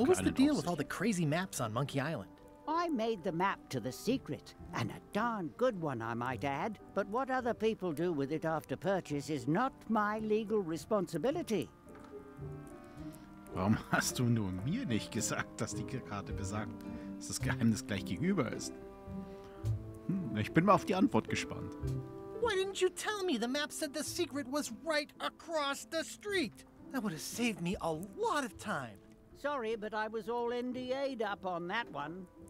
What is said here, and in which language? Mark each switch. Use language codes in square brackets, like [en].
[en] What was the deal with all the crazy maps on Monkey Island? I made the map to the secret, and a darn good one, I might add. But what other people do with it after purchase is not my legal responsibility. [de] Warum hast du nur mir nicht gesagt, dass die Karte besagt, dass das Geheimnis gleich gegenüber ist? Ich bin mal auf die Antwort gespannt. [en] Why didn't you tell me the map said the secret was right across the street? That would have saved me a lot of time. Sorry, but I was all NDA'd up on that one.